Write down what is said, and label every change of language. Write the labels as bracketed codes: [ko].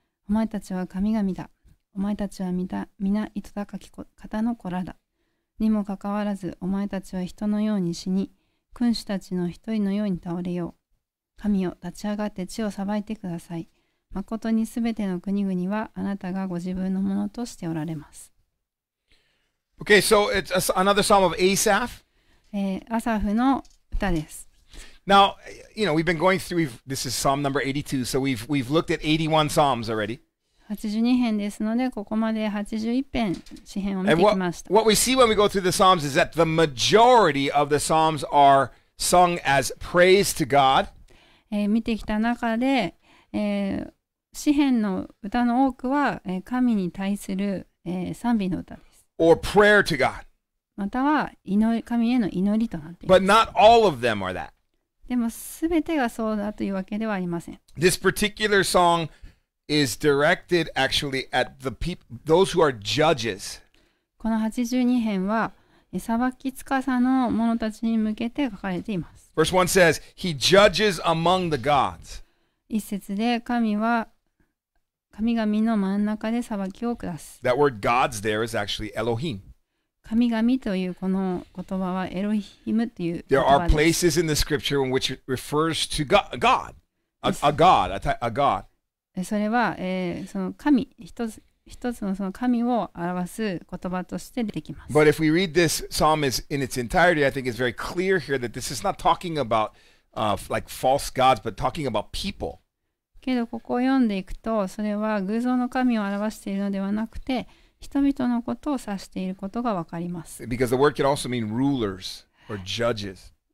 [ja] お前たちは神々だ。お前たちは皆糸高き方の子らだ。にもかかわらず、お前たちは人のように死に、君主たちの一人のように倒れよう。神よ、立ち上がって地を裁いてください。まことにすべての国々は、あなたがご自分のものとしておられます。 [en] Okay, so it's another psalm of Asaph. [ja] アサフの歌です。 [en] Now, you know, we've been going through, this is Psalm number 82, so we've looked at 81 Psalms already. [ja] 82編ですので、ここまで81編、詩編を見てきました。 [en] What we see when we go through the Psalms is that the majority of the Psalms are sung as praise to God. [ja] 見てきた中で、詩編の歌の多くは、神に対する、賛美の歌です。 [en] Or prayer to God. [ja] または祈り、神への祈りとなっています。 [en] But not all of them are that. [ja] でも全てがそうだというわけではありません。 [en] This particular song is directed actually at the people, those who are judges. [ja] この82編は、裁き司の者たちに向けて書かれています。 [en] Verse 1 says, He judges among the gods. [ja] 一節で神は、神々の真ん中で裁きを下す。 [en] That word God's there is actually Elohim. [ja] 神々というこの言葉はエロヒムという言葉です。 [en] There are places in the scripture in which it refers to God. A God. [ja] それは、その神、一つのその神を表す言葉として出てきます。 [en] But if we read this psalm in its entirety, I think it's very clear here that this is not talking about like false gods, but talking about people. [ja] けどここを読んでいくと、それは偶像の神を表しているのではなくて、人々のことを指していることがわかります。 [en] Because the word could also mean rulers or judges.